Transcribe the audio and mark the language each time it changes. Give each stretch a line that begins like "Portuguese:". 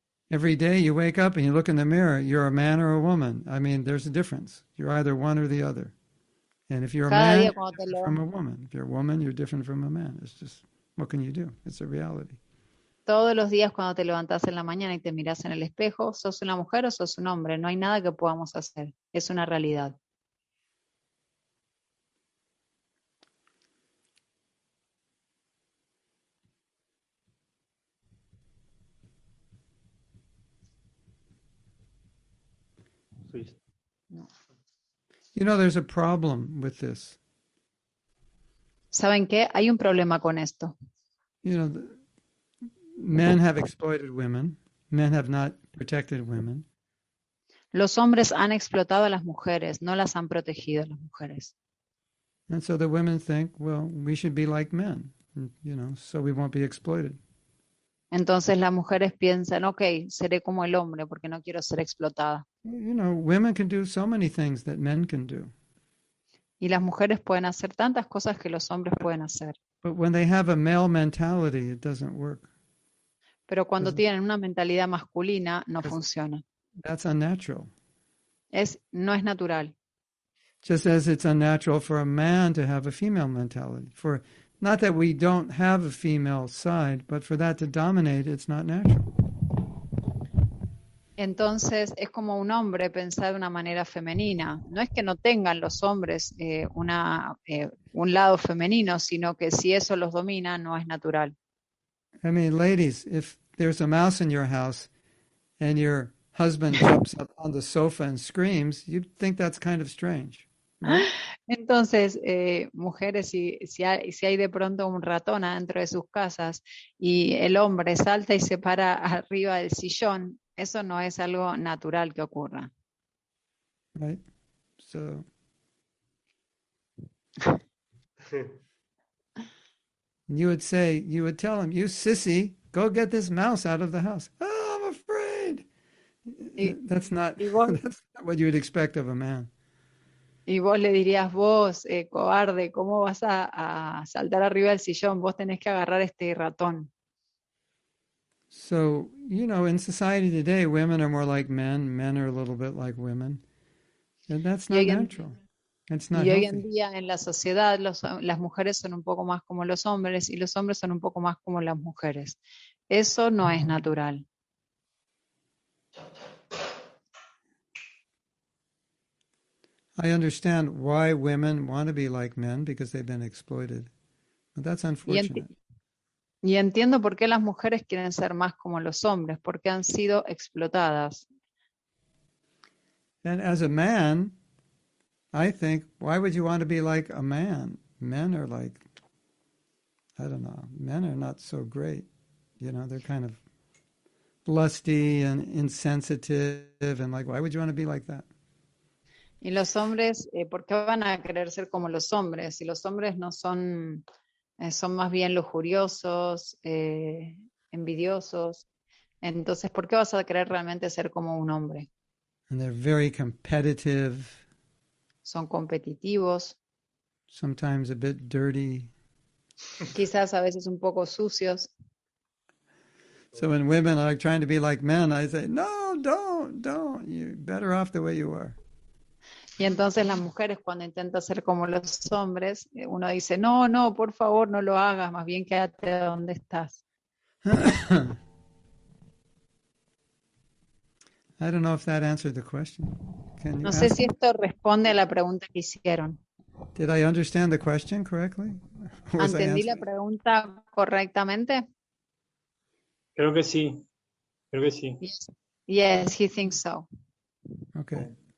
English: Every day you wake up and you look in the mirror, you're a man or a woman. I mean, there's a difference. You're either one or the other. And if you're a man, you're different from a woman. If you're a woman, you're different from a man. It's just, what can you do? It's a reality.
Spanish: Todos los días cuando te levantas en la mañana y te miras en el espejo, sos una mujer o sos un hombre. No hay nada que podamos hacer. Es una realidad.
English: You know, there's a problem with this.
Spanish: ¿Saben qué? Hay un problema con esto.
English: You know, men have exploited women. Men have not protected women.
Spanish: Los hombres han explotado a las mujeres, no las han protegido a las mujeres.
English: And so the women think, well, we should be like men, you know, so we won't be exploited.
Spanish: Entonces las mujeres piensan, okay, seré como el hombre porque no quiero ser explotada.
English: You know, women can do so many things that men can do.
Spanish: Y las mujeres pueden hacer tantas cosas que los hombres pueden hacer.
English: But when they have a male mentality, it doesn't work.
Spanish: Pero cuando tienen una mentalidad masculina, no funciona.
English: That's unnatural.
Spanish: No es natural.
English: Just as it's unnatural for a man to have a female mentality. For not that we don't have a female side, but for that to dominate, it's not natural.
Spanish: Entonces, es como un hombre pensar de una manera femenina. No es que no tengan los hombres un lado femenino, sino que si eso los domina, no es natural.
English: I mean, ladies, if there's a mouse in your house and your husband jumps up on the sofa and screams, you'd think that's kind of strange.
Spanish: Entonces, mujeres, si hay de pronto un ratón adentro de sus casas y el hombre salta y se para arriba del sillón, eso no es algo natural que ocurra.
English: Right. So. You would say, you would tell him, you sissy, go get this mouse out of the house. Oh, I'm afraid. That's not what you would expect of a man.
Spanish: Y vos le dirías, vos, cobarde, ¿cómo vas a saltar arriba del sillón? Vos tenés que agarrar este ratón.
English: So, you know, in society today, women are more like men. Men are a little bit like women. And that's not natural.
Spanish: Y hoy en día en la sociedad las mujeres son un poco más como los hombres y los hombres son un poco más como las mujeres. Eso no es natural.
English: I understand why women want to be like men because they've been exploited. But that's unfortunate.
Spanish: Y entiendo por qué las mujeres quieren ser más como los hombres, porque han sido explotadas.
English: And as a man, I think, why would you want to be like a man? Men are like, I don't know, men are not so great. You know, they're kind of lusty and insensitive and like, why would you want to be like that?
Spanish: Y los hombres, ¿por qué van a querer ser como los hombres? Si los hombres no son, son más bien lujuriosos, envidiosos. Entonces, ¿por qué vas a querer realmente ser como un hombre?
English: And they're very competitive.
Spanish: Son competitivos.
English: Sometimes a bit dirty.
Spanish: Quizás a veces un poco sucios.
English: So when women are trying to be like men, I say, no, don't. You're better off the way you are.
Spanish: Y entonces las mujeres cuando intentan ser como los hombres, uno dice, no, por favor, no lo hagas, más bien quédate donde estás.
English: I don't know if that answered the question.
Spanish: No sé si esto responde a la pregunta que hicieron.
English: Did I understand the question correctly?
Spanish: ¿Entendí la pregunta correctamente? Creo que sí.
English: Yes, he thinks so. Okay.